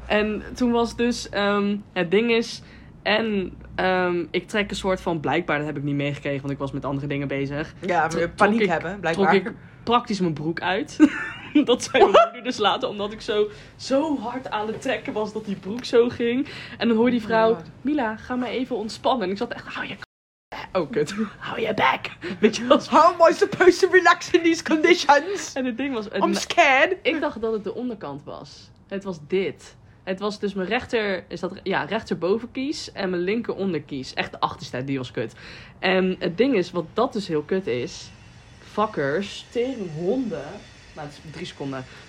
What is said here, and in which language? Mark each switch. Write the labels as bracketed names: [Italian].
[Dutch] En toen was dus, het ding is, en ik trek een soort van, blijkbaar, dat heb ik niet meegekregen, want ik was met andere dingen bezig. Ja, maar paniek hebben, blijkbaar. Trok ik praktisch mijn broek uit. Dat zei mijn moeder dus later, omdat ik zo hard aan het trekken was dat die broek zo ging. En dan hoorde die vrouw, Mila, ga maar even ontspannen. En ik zat echt, hou je kut. Hou je bek. Weet je wel. [English] How am I supposed to relax in these conditions? [Dutch] En het ding was, [English] I'm scared. [Dutch] Ik dacht dat het de onderkant was. Het was dit. Het was dus mijn rechter, is dat, ja, rechterbovenkies en mijn linker onderkies. Echt de achterste, die was kut. En het ding is, wat dat dus heel kut is. [English] Fuckers. [Dutch] Tering honden. Nou, het is 3 seconden.